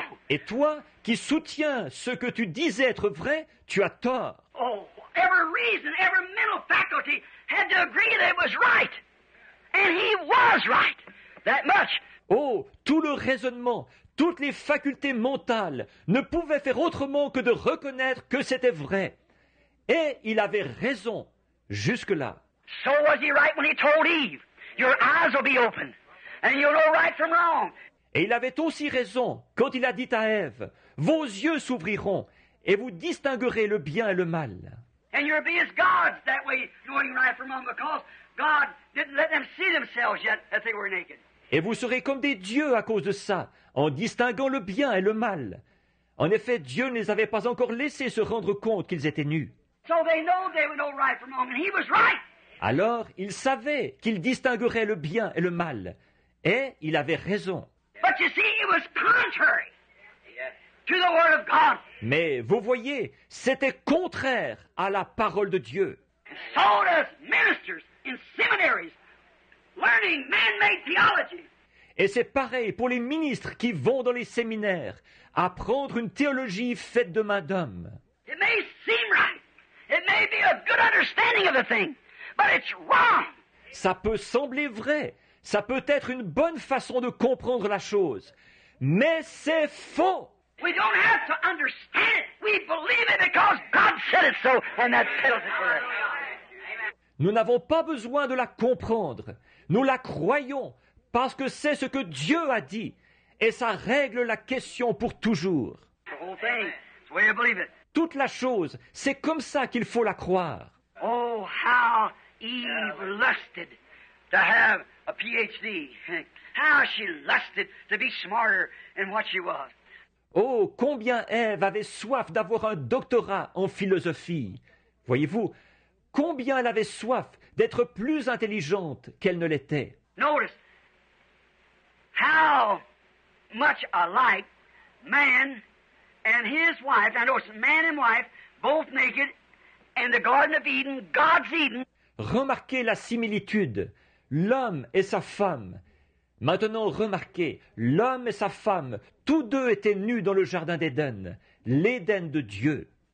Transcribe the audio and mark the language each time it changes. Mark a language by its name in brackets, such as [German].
[French] Et toi, qui soutiens ce que tu disais être vrai, tu as tort. [English] Oh, every reason, every mental faculty had to agree that it was right. And he was right, that much. [French] Oh, tout le raisonnement, toutes les facultés mentales ne pouvaient faire autrement que de reconnaître que c'était vrai. Et il avait raison. Jusque-là. [English] So was he right when he told Eve, your eyes will be open, and you'll know right from wrong. [French] Et il avait aussi raison quand il a dit à Ève, vos yeux s'ouvriront et vous distinguerez le bien et le mal. [English] And you'll be as gods that way, knowing right from wrong, because God didn't let them see themselves yet that they were naked. [French] Et vous serez comme des dieux à cause de ça, en distinguant le bien et le mal. En effet, Dieu ne les avait pas encore laissés se rendre compte qu'ils étaient nus. [English] So they know they would know right from wrong, and he was right. [French] Alors, il savait qu'il distinguerait le bien et le mal, et il avait raison. [English] But you see, it was contrary to the word of God. [French] Mais vous voyez, c'était contraire à la parole de Dieu. [English] And so does ministers in seminaries learning man-made theology. [French] Et c'est pareil pour les ministres qui vont dans les séminaires apprendre une théologie faite de main d'homme. [English] It may seem right. It may be a good understanding of the thing, but it's wrong. [French] Ça peut sembler vrai, ça peut être une bonne façon de comprendre la chose, mais c'est faux. [English] We don't have to understand it. We believe it because God said it so, and that settles it for us. [French] Nous n'avons pas besoin de la comprendre. Nous la croyons parce que c'est ce que Dieu a dit, et ça règle la question pour toujours. [English] The whole thing, it's the way you believe it. [French] Toute la chose, c'est comme ça qu'il faut la croire. [English] Oh, how Eve lusted to have a PhD. How she lusted to be smarter than what she was. [French] Oh, combien Ève avait soif d'avoir un doctorat en philosophie. Voyez-vous, combien elle avait soif d'être plus intelligente qu'elle ne l'était. [English] Notice how much alike man and his wife, and it's man and wife, both naked, in the Garden of Eden, God's Eden. [French] Remarquez la similitude. L'homme et sa femme. Maintenant, remarquez, l'homme et sa femme, tous deux étaient nus dans le jardin d'Éden, l'Éden de Dieu.